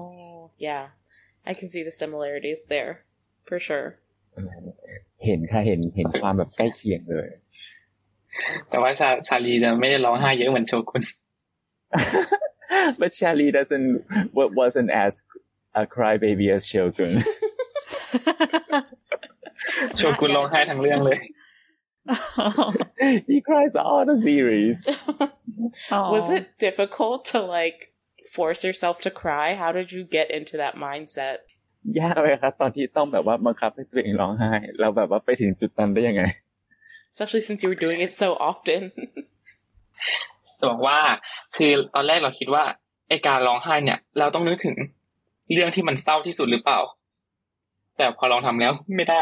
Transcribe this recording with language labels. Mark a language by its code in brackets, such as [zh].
[en] oh, yeah I can see the similarities there for sure [th] เห็นค่ะเห็นความแบบใกล้เคียงเลย แต่ว่าชาลีจะไม่ได้ร้องไห้เยอะเหมือนโชกุน [en] but Charlie wasn't as a crybaby as Shogun [th] โชกุนร้องไห้ทั้งเรื่องเลย [en] he cries all the series was it difficult to like force yourself to cry how did you get into that mindset [th] ยากเลยครับตอนที่ต้องแบบว่าบังคับให้ตัวเองร้องไห้แล้วแบบว่าไปถึงจุดนั้นได้ยังไง [en] especially since you were doing it so often [th] จะบอกว่าคือตอนแรกเราคิดว่าไอ้การร้องไห้เนี่ยเราต้องนึกถึงเรื่องที่มันเศร้าที่สุดหรือเปล่าแต่พอลองทำแล้วไม่ได